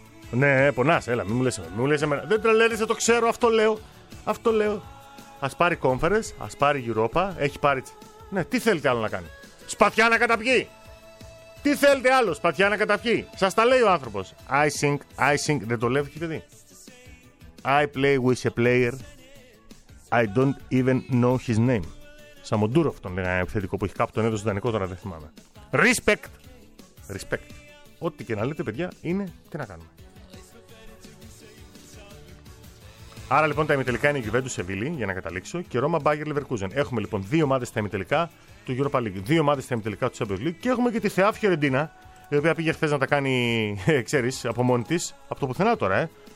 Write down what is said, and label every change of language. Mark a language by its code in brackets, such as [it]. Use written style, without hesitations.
[el] Ναι, πονάς, έλα, μην μου λες εμένα. Δεν τρελαίνεσαι, το ξέρω, αυτό λέω. Ας πάρει conference, ας πάρει Europa, έχει πάρει. Ναι, τι θέλετε άλλο να κάνει. Σπαθιά να καταπιεί! Τι θέλετε άλλο, σπαθιά να καταπιεί! Σας τα λέει ο άνθρωπος. [en] I sink, [el] δεν το λέω, παιδί. [en] I play with a player. I don't even know his name. [el] Σαμοντούροφ τον λέγανε επιθετικό που έχει κάπου τον έδωσε δανεικό, τώρα δεν θυμάμαι. Respect. Ό,τι και να λέτε, παιδιά, είναι τι να κάνουμε. Άρα λοιπόν τα ημιτελικά είναι Juventus Sevilla, για να καταλήξω, και Ρώμα Bayer Leverkusen. Έχουμε λοιπόν δύο ομάδες στα ημιτελικά του Europa League, δύο ομάδες στα ημιτελικά του Champions League και έχουμε και τη θεά Φιωρεντίνα, η οποία πήγε χθες να τα κάνει, ξέρεις, από μόνη της, από το πουθενά τώρα, ε.